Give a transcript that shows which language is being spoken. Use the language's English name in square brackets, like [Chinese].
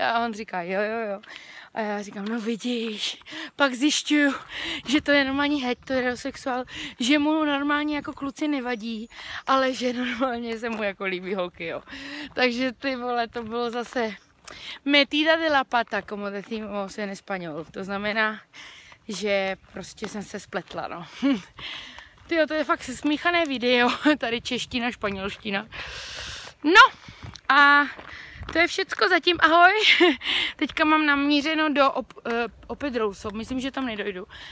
[Czech] A on říká, jo. A já říkám, no vidíš, pak zjišťuju, že to je normální heterosexuál, že mu normálně jako kluci nevadí, ale že normálně se mu jako líbí holky, jo. Takže ty vole, to bylo zase [Spanish] metida de la pata, como decimos en español. [Czech] To znamená, že prostě jsem se spletla, no. Tyjo, to je fakt smíchané video, tady čeština, španělština. No, a... to je všecko zatím, ahoj. Teďka mám namířeno do Opedrouso, myslím, že tam nedojdu.